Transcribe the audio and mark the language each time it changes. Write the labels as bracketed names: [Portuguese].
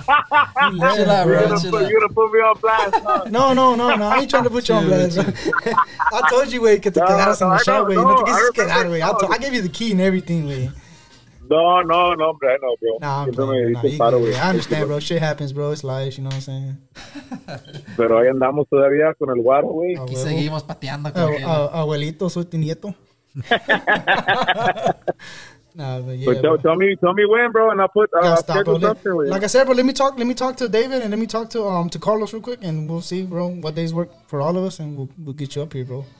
[English] You're going to put me on blast. No. I ain't trying to put you on blast. I told you, wait, to get out of the shop, wait. No, get out of the way. I gave you the key and everything, wait. No, bro. I understand, bro. Shit happens, bro. It's life, you know what I'm saying? [Spanish] Pero ahí andamos todavía con el guaro, güey. Aquí seguimos pateando con abuelito, soy tu nieto. [English] Tell me when, bro, and I'll put like I said, bro, let me talk to David and let me talk to Carlos real quick, and we'll see, bro, what days work for all of us, and we'll get you up here, bro.